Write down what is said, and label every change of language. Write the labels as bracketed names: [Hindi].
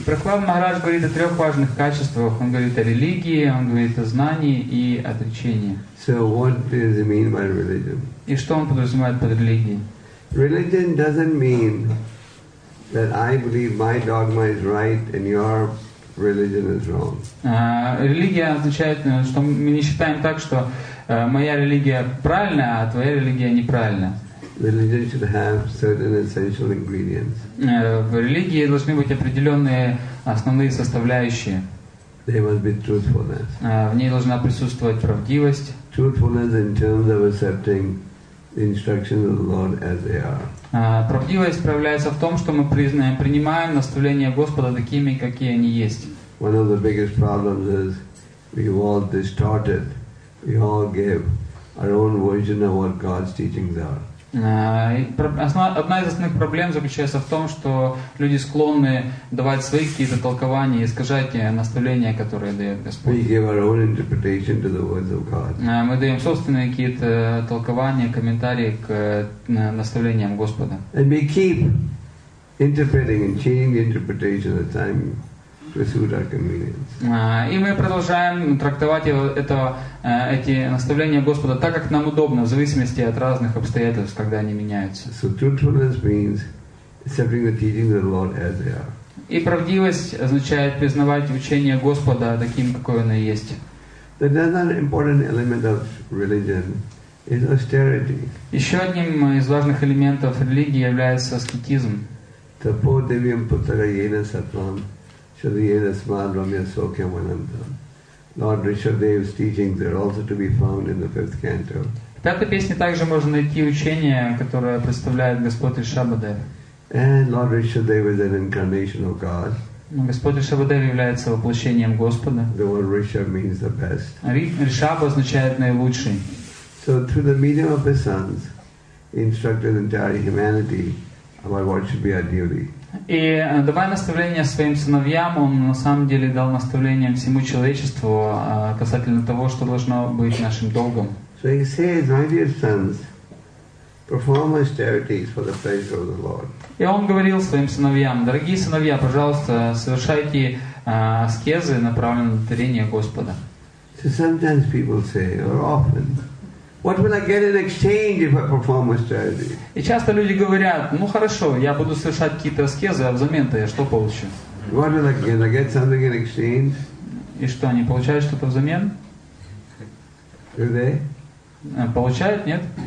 [Russian] И Прохлад Махарадж говорит о трех важных качествах. Он говорит о религии, он говорит о знании и отречении. [English] So what does he mean by religion? [Russian] И что он подразумевает под религией? [English] Religion doesn't mean that I believe my dogma is right and your religion is wrong. [Russian] Религия означает, что мы не считаем так, что моя религия правильная, а твоя религия неправильная. [English] Religion should have certain essential ingredients. [Russian] В религии должны быть определенные основные составляющие. [English] There must be truthfulness. [Russian] В ней должна присутствовать правдивость. [English] Truthfulness in terms of accepting the instructions of the Lord as they are. [Russian] Правдивость проявляется в том, что мы признаем, принимаем наставления Господа такими, какие они есть. [English] One of the biggest problems is we all distorted. We all give our own version of what God's teachings are. [Russian] Одна из основных проблем заключается в том, что люди склонны давать свои какие-то толкования и искажать наставления, которые дает Господь. [English] We give our own interpretation to the words of God. [Russian] Мы даем собственные какие-то толкования, комментарии к наставлениям Господа. [English] And we keep interpreting and changing the interpretation at times. [Russian] И мы продолжаем трактовать эти наставления Господа так, как нам удобно, в зависимости от разных обстоятельств, когда они меняются. [English] So truthfulness means accepting the teachings of the Lord as they are. [Russian] И правдивость означает признавать учение Господа таким, какое оно есть. [English] The other important element of religion is austerity. [Russian] Еще одним из важных элементов религии является аскетизм. [Sanskrit] Тапо девиам путарайена сатвам. Shriyena Smad Ramya Sokyam Ananda. [English] Lord Rishabdev's teachings are also to be found in the fifth canto. [Russian] В пятой песне также можно найти учение, которое представляет Господь Ришабхадев. [English] And Lord Rishabdev is an incarnation of God. [Russian] Господь Ришабхадев является воплощением Господа. [English] The word Rishab means the best. [Russian] Ришаб означает наилучший. [English] So through the medium of his sons, he instructed entire humanity about what should be our duty. [Russian] И давая наставление своим сыновьям, он на самом деле дал наставление всему человечеству касательно того, что должно быть нашим долгом. [English] So he says, my dear sons, perform austerities for the pleasure of the Lord. [Russian] И он говорил своим сыновьям, дорогие сыновья, пожалуйста, совершайте аскезы, направленные на творение Господа. [English] So sometimes people say, or often, what will I get in exchange if I perform austerity? И часто люди говорят, ну хорошо, я буду совершать какие-то аскезы, а взамен-то я что получу? What will I get? I get something in exchange? [Russian] И что, они получают что-то взамен? [English] Do they? [Russian] Получают, нет?